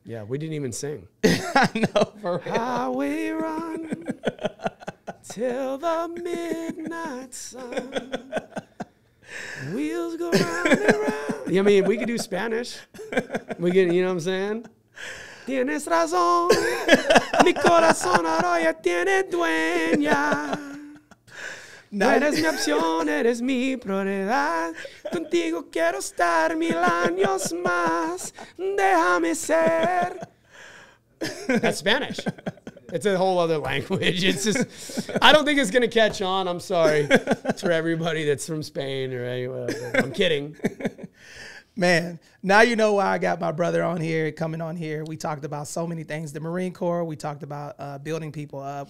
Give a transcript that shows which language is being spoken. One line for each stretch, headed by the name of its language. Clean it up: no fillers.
English: Yeah, we didn't even sing. I know, for real. How we run till the midnight sun. Wheels go round and round. I mean, we could do Spanish. We could, you know what I'm saying?
Spanish: Tienes razón. Mi corazón ahora tiene dueña. No eres mi opción, eres mi prioridad. Contigo quiero estar mil años más. Déjame ser.
English: That's Spanish. It's a whole other language. It's just, I don't think it's going to catch on. I'm sorry to everybody that's from Spain or anywhere. I'm kidding. Man, now you know why I got my brother on here, coming on here. We talked about so many things. The Marine Corps, we talked about building people up.